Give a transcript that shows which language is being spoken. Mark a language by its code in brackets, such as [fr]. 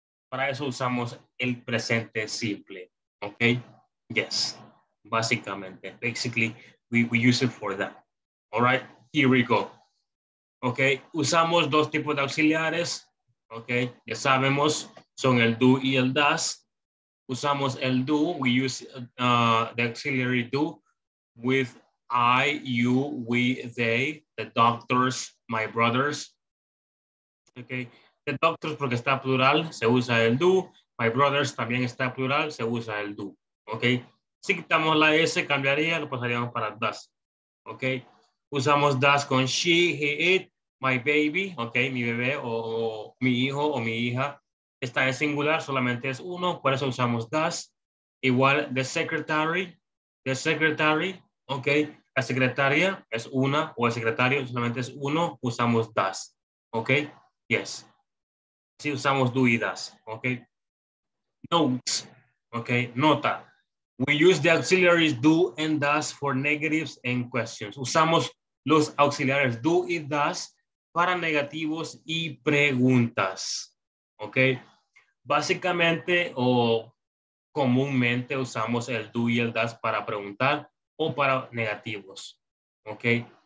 [es] Para eso usamos el presente simple, okay? [en] Yes, basically, we use it for that. All right, here we go. Okay, [es] usamos dos tipos de auxiliares, [en] okay? [es] Ya sabemos, son el do y el does. Usamos el do, [en] we use the auxiliary do with I, you, we, they, the doctors, my brothers. [es] Okay, [en] the doctors [es] porque está plural, se usa el do. [en] My brothers [es] también está plural, se usa el do. Okay, si quitamos la S, cambiaría, lo pasaríamos para does. Okay, usamos does con [en] she, he, it, my baby, [es] okay, mi bebé o mi hijo o mi hija. está en singular, solamente es uno, por eso usamos does. Igual, [en] the secretary, [es] ok, la secretaria es una, o el secretario solamente es uno, usamos does, ok, yes. Si usamos do y does, ok. Notes, ok, nota. [en] We use the auxiliaries do and does for negatives and questions. [es] Usamos los auxiliares do y does para negativos y preguntas, ok. Básicamente o comúnmente usamos el do y el does para preguntar o para negativos, ok.